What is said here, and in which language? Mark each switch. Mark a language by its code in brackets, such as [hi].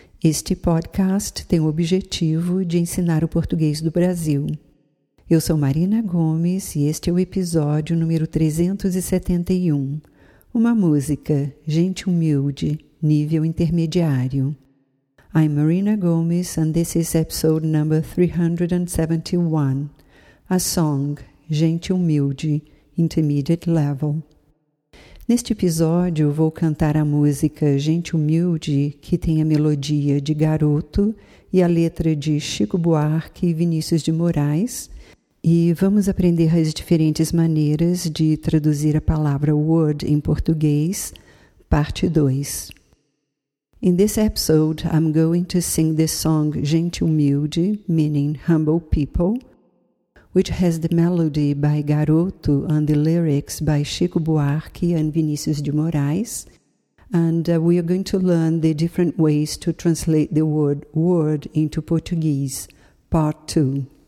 [pt] Este podcast tem o objetivo de ensinar o português do Brasil. Eu sou Marina Gomes e este é o episódio número 371. Uma música, Gente Humilde, Nível Intermediário. [en] I'm Marina Gomes and this is episode number 371. A song, Gente Humilde, Intermediate Level. [pt] Neste episódio, vou cantar a música Gente Humilde, que tem a melodia de Garoto e a letra de Chico Buarque e Vinícius de Moraes. E vamos aprender as diferentes maneiras de traduzir a palavra word em português, parte 2. [en] In this episode, I'm going to sing the song Gente Humilde, meaning humble people, which has the melody by Garoto and the lyrics by Chico Buarque and Vinícius de Moraes. And we are going to learn the different ways to translate the word word into Portuguese, part 2.